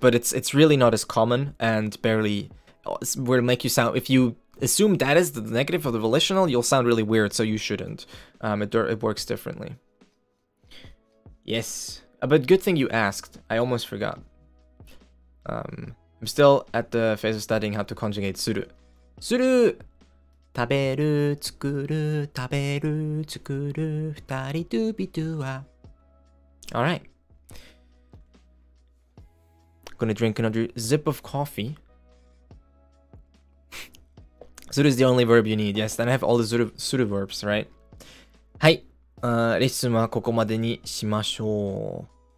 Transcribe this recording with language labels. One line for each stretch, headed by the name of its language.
English: But it's really not as common and barely will make you sound, if you assume that is the negative of the volitional, you'll sound really weird, so you shouldn't. It works differently. Yes, but good thing you asked. I almost forgot. I'm still at the phase of studying how to conjugate suru. Suru! 食べる, 作る, 食べる, 作る, 二人とビトゥは. All right. Gonna drink another zip of coffee. Suru is the only verb you need. Yes, then I have all the suru verbs, right?
Japanese: はい。レッスンはここまでにしましょう。